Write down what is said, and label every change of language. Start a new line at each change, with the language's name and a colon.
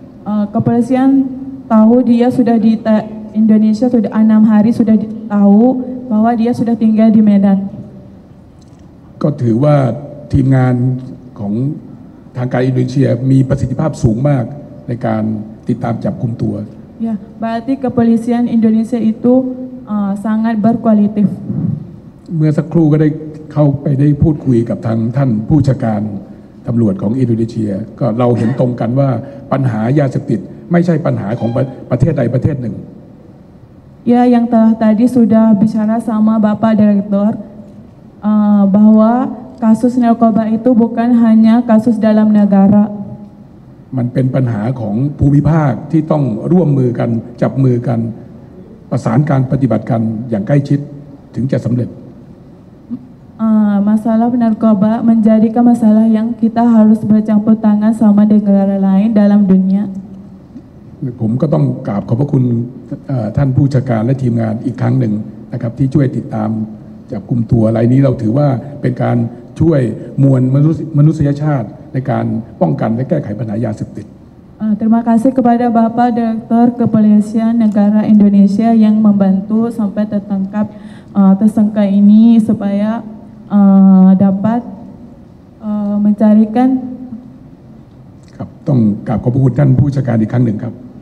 Indonesian: kepolisian tahu dia sudah di Indonesia sudah 6 hari sudah tahu bahwa dia sudah tinggal di Medan
Thai: ก็ถือว่าทีมงานของทางการอินโดนีเซียมีประสิทธิภาพสูงมากในการติดตามจับกลุ่มตัว
Indonesian: ya berarti kepolisian Indonesia itu sangat berkualitif
Thai: เมื่อสักครู่ก็ได้เข้าไปได้พูดคุยกับทางท่านผู้ชการตำรวจของอินโดนีเซียก็เราเห็นตรงกันว่าปัญหายาเสพติดไม่ใช่ปัญหาของประเทศใดประเทศหนึ่ง
Indonesian: Ya yang telah tadi sudah bicara sama Bapak Direktur bahwa kasus narkoba itu bukan hanya kasus dalam negara
Thai: มันเป็นปัญหาของภูมิภาคที่ต้องร่วมมือกันจับมือกันประสานการปฏิบัติกันอย่างใกล้ชิดถึงจะสำเร็จ
Indonesian: masalah narkoba menjadikan masalah yang kita harus bercampur tangan sama negara lain dalam dunia
Thai: ผมก็ต้องกราบขอบพระคุณท่านผู้จัดการและทีมงานอีกครั้งหนึ่งนะครับที่ช่วยติดตามจับกลุ่มตัวรายนี้เราถือว่าเป็นการช่วยมวลมนุษยชาติในการป้องกันและแก้ไขปัญหายาเสพติด
Indonesian: terima kasih kepada Bapak Direktur Kepolisian Negara Indonesia yang membantu sampai tertangkap tersangka ini supaya dapat mencarikan.
Thai: Krap, tong krap, ขอบคุณท่านผู้จัดการอีกครั้งหนึ่งครับ.